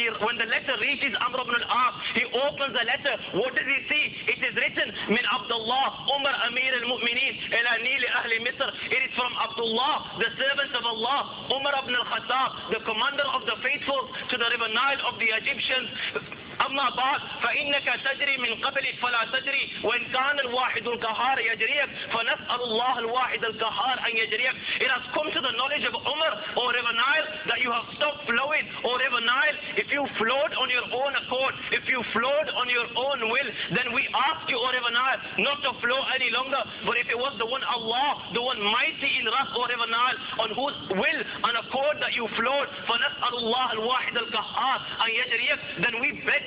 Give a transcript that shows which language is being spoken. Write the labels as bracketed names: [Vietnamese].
[English] When the letter reaches Amr ibn al-As, he opens the letter. What does he see? It is written, [Arabic] من Abdullah, Umar Amir al-Mu'mineen, ila Nili Ahli Misr. [English] It is from Abdullah, the servant of Allah, Umar ibn al-Khattab, the commander of the faithful, to the river Nile of the Egyptians. [Arabic] أما بعد فإنك تجري من قبلك فلا تجري وإن كان الواحد القهار يجريك فنسأل الله الواحد القهار أن يجريك. [English] It has come to the knowledge of Umar, O River Nile, that you have stopped flowing. O River Nile, if you flowed on your own accord, if you flowed on your own will, then we ask you, O River Nile, not to flow any longer. But if it was the one Allah, the one mighty in wrath, O River Nile, on whose will and accord that you flowed, [Arabic] فنسأل الله الواحد القهار أن يجريك, [English] then we beg